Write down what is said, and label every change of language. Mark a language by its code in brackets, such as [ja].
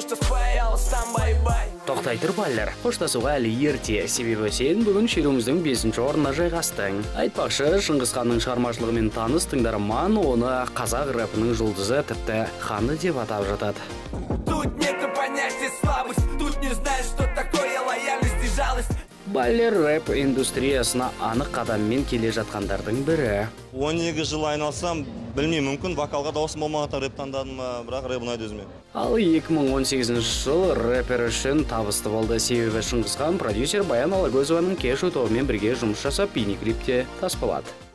[kk] Тоқтай тұр, балалар, қоштасуға әлі ерте, себебі сен бүгін шеруіміздің 5-ші орнына жайғастың. Айтпақшы, Шыңғысханның шығармашылығымен таныс тыңдарман оны қазақ рэпінің жұлдызы тіпті ханы деп атап жатады. [ru] Тут нету понятия слабость, тут не знаешь, что такое лояльность и жалость. [kk] Балер рэп индустриясына анық қадаммен келе жатқандардың бірі. 12 жыл айналсам, білмей, мүмкін вокалға дауысым болмағанда рэп таңдадым, бірақ рэп ұнайды өзіме. Ал 2018 жыл рэпер үшін табысты болды. Себебі Шыңғысхан продюсер Баян Алагөзованың кешу тобымен бірге жұмыс жасап, бейнеклипте таспалады.